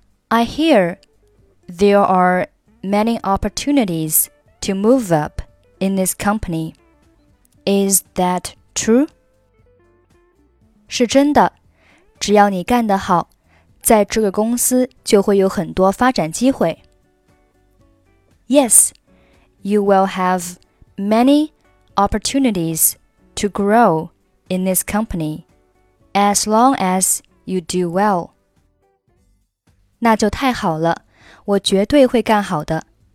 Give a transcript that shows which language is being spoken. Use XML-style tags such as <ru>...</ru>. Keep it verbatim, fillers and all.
<en>I hear there are many opportunities to move up in this company. Is that true?</en> <zh>是真的，只要你干得好，在这个公司就会有很多发展机会。</zh> <en>Yes, you will have many opportunities to grow in this company, as long as you do well.</en> <zh>那就太好了，我绝对会干好的。</zh>